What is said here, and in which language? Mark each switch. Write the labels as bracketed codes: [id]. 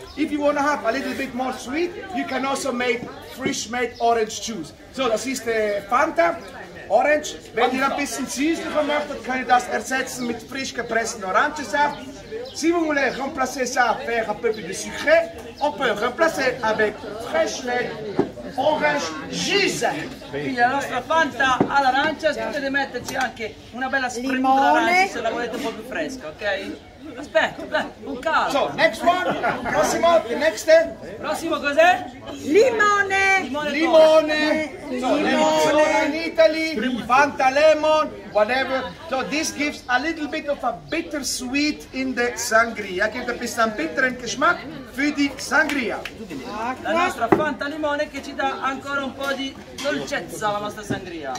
[en] If you want to have a little bit more sweet, you can also make fresh made orange juice. [de] So das ist Fanta orange. Wenn ihr ein bisschen süß davon möchtet, könnt ihr das ersetzen mit frisch gepressten Orangensaft. [fr] Si vous voulez remplacer ça avec un peu plus de sucre, on peut remplacer avec [en] fresh made orange juice. [it] Quindi la nostra Fanta all'arancia, potete metterci anche una bella spremuta d'arancia se la volete un po' più fresca, ok? Aspetta, un calo. [en] So, next one, [it] prossimo, [en] the next. [it] Prossimo cos'è? Limone. Limone. limone [en] in Italy, Fanta lemon, whatever. So this gives a little bit of a bittersweet in the sangria. [de] Gibt ein bisschen bitteren Geschmack für die sangria. [it] La nostra Fanta limone che ci dà ancora un po' di dolcezza alla nostra sangria.